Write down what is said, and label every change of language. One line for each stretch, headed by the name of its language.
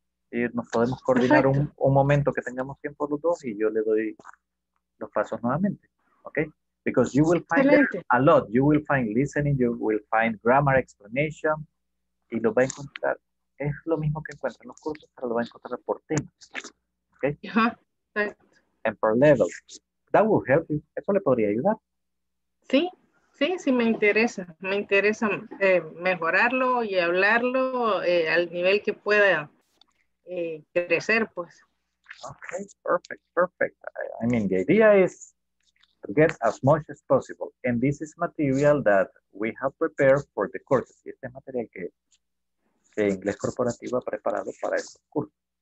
Spanish: Y nos podemos coordinar un momento que tengamos tiempo los dos y yo le doy los pasos nuevamente.
English: Okay? Because you will find a lot. You will find listening, you will find grammar explanation.
Spanish: Y lo va a encontrar. Es lo mismo que encuentra en los cursos, pero lo va a encontrar por temas. Ok. Uh-huh.
English: And per level. That will help you.
Spanish: Eso le podría ayudar. Sí, sí, sí, me interesa. Me interesa mejorarlo y hablarlo al nivel que pueda crecer, pues.
English: Ok, perfect. I mean, the idea is to get as much as possible. And this is material that we have prepared for the courses.
Spanish: Y este es material que el inglés corporativo ha preparado para este curso.